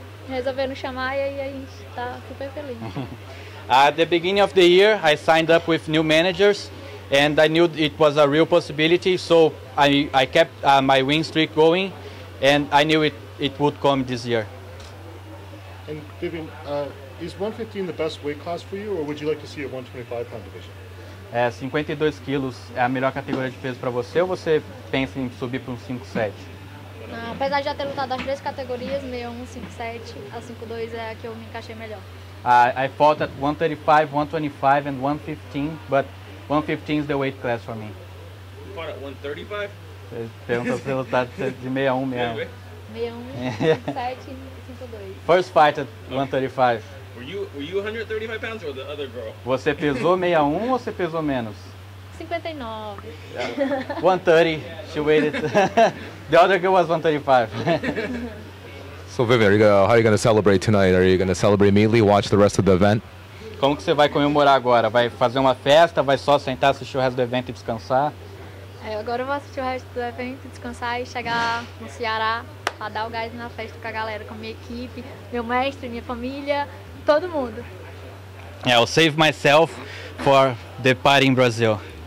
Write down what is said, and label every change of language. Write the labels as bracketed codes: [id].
[pt] resolveram chamar e aí a gente está super feliz. [en] At the beginning of the year, I signed up with new managers, and I knew it was a real possibility, so I kept my win streak going, and I knew it would come this year. And Vivian, is 115 the best weight class for you, or would you like to see a 125 pound division? [pt] 52 quilos é a melhor categoria de peso para você, ou você pensa em subir para um 5'7"? Apesar de já ter lutado as três categorias, 61, 5'7", a 5'2 é a que eu me encaixei melhor. [en] I fought at 135, 125 and 115, but 115 is the weight class for me. You fought at 135? [pt] Perguntou se eu lutar de 61 mesmo. 61, 57 e 52. [en] First fight at 135. Were you 135 pounds or the other girl? [pt] Você pesou 61 ou você pesou menos? 59. [en] Yeah. 130, she weighed. The other girl was 135. So Vivian, how are you going to celebrate tonight? Are you going to celebrate immediately, watch the rest of the event? [pt] Como que você vai comemorar agora? Vai fazer uma festa, vai só sentar, assistir o resto do evento e descansar? Agora eu vou assistir o resto do evento, descansar e chegar no Ceará para dar o gás na festa com a galera, com a minha equipe, meu mestre, minha família, todo mundo. [en] Yeah, I'll save myself for the party in Brazil.